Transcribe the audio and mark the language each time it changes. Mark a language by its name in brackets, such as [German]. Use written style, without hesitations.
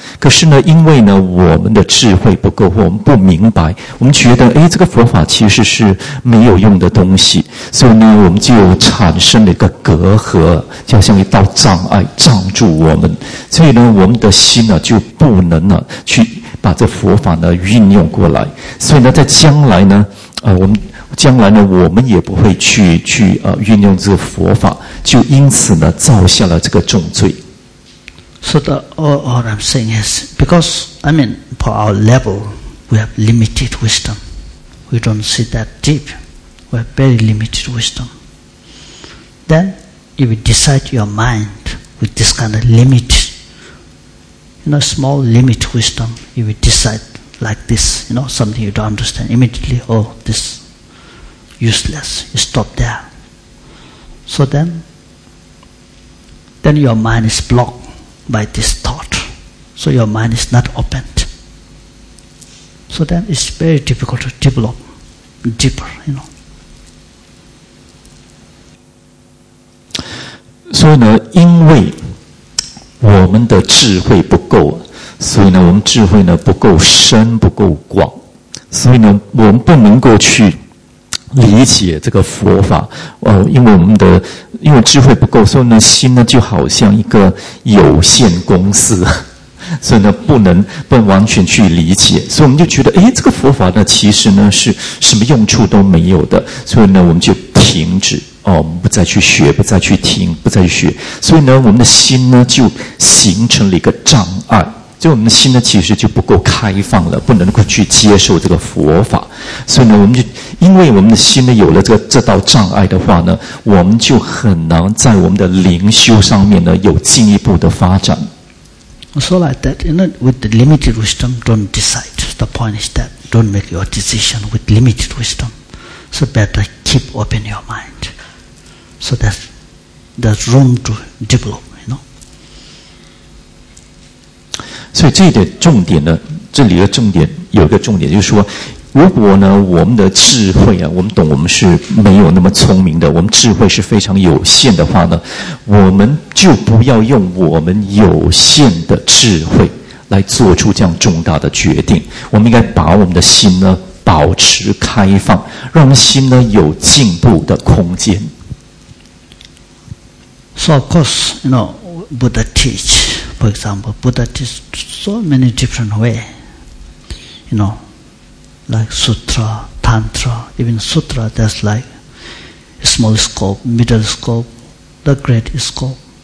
[Chinese] 可是呢，因为呢，我们的智慧不够，我们不明白，我们觉得，哎，这个佛法其实是没有用的东西，所以呢，我们就产生了一个隔阂，就像一道障碍，障住我们。所以呢，我们的心呢，就不能呢，去把这佛法呢运用过来。所以呢，在将来呢，我们也不会去运用这个佛法，就因此呢，造下了这个重罪。 [English] So all I'm saying is, because, I mean, for our level, we have limited wisdom. We don't see that deep. We have very limited wisdom. Then, if you decide your mind with this kind of limit, you know, small limit wisdom, if you decide like this, you know, something you don't understand, immediately, oh, this is useless, you stop there. So then your mind is blocked. By this thought. So your mind is not opened. So then it's very difficult to develop deeper, you know. [Chinese] 所以呢，因为我们的智慧不够，所以呢，我们智慧呢不够深、不够广，所以呢，我们不能够去理解这个佛法。因为我们的因为智慧不够，所以呢，心呢就好像一个有限公司。所以呢不能完全去理解，所以我们就觉得这个佛法呢其实呢是什么用处都没有的，所以呢我们就停止，我们不再去学，不再去听，不再去学，所以呢我们的心呢就形成了一个障碍，就我们的心呢其实就不够开放了，不能够去接受这个佛法。所以呢我们就因为我们的心呢有了这道障碍的话呢，我们就很难在我们的灵修上面呢有进一步的发展。 [English] So like that, you know, with the limited wisdom, don't decide. The point is that don't make your decision with limited wisdom. So better keep open your mind. So there's room to develop, you know. [Chinese] 所以这一点重点呢，这里的重点有一个重点，就是说，如果呢，我们的智慧啊，我们懂我们是没有那么聪明的，我们智慧是非常有限的话呢，我们就不要用我们有限的智慧来做出这样重大的决定。我们应该把我们的心呢保持开放，让我们心呢有进步的空间。 [English] So of course, you know, Buddha teach, for example, Buddha teach so many different way, you know. Like sutra, tantra, even sutra, that's like small scope, middle scope, the great scope.